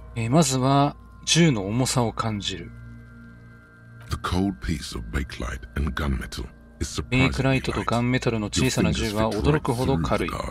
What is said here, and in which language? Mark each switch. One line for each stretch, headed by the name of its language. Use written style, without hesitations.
Japanese: まずは銃の重さを感じる。
English: The cold piece of bakelite and gunmetal is surprisingly light.
Japanese: ベイクライトとガンメタルの小さな銃は驚くほど軽い。